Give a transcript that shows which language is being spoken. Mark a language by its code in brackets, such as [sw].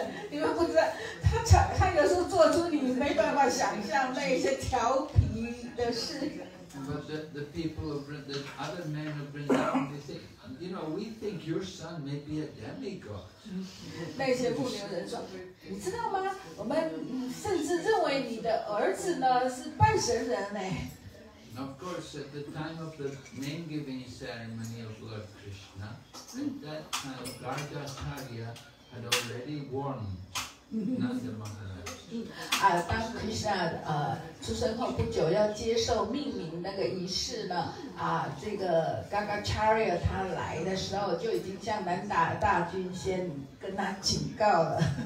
[zh] 你们不知道 他有时候做出你没办法想象那些调皮的事。 [en] But the people of the other men of Vrindavan, they say, you know, we think your son may be a demigod. [zh] 那些牧牛人说，你知道吗，我们甚至认为你的儿子呢是半神人。 [en] And of course, at the time of the name giving ceremony of Lord Krishna, at that time, Gargataria,had already warned Nanda Maharaj. [zh] 当 Krishna 出生后不久要接受命名那个仪式呢，这个 Gargacharya 他来的时候就已经向南达大军先跟他警告了。